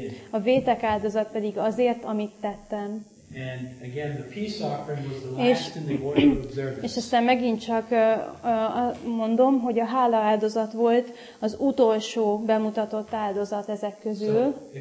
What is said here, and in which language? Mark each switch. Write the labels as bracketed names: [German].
[Hungarian] A vétek áldozat pedig azért, amit tettem. [English] And again, the peace offering was the last in the order of observance. [Hungarian] És aztán megint csak mondom, hogy a hála áldozat volt az utolsó bemutatott áldozat ezek közül.